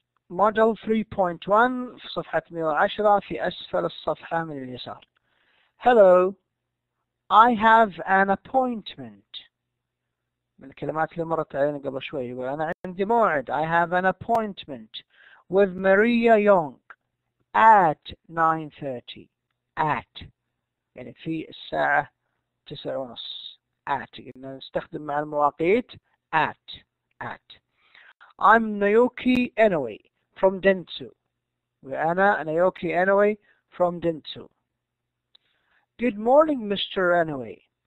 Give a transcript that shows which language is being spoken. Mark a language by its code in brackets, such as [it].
[ar] Model 3.1 في صفحة 110 في أسفل الصفحة من اليسار. [en] Hello, I have an appointment. [ar] من الكلمات اللي مرت علينا قبل شوي يقول أنا عندي موعد. [en] I have an appointment with Maria Young at 9:30. [ar] At يعني في الساعة 9:30. At يعني نستخدم مع المواقيت. [en] At. I'm Naoki Inoue from Dentsu. [ar] وأنا [en] Naoki Inoue from Dentsu. Good morning, Mr. Inoue.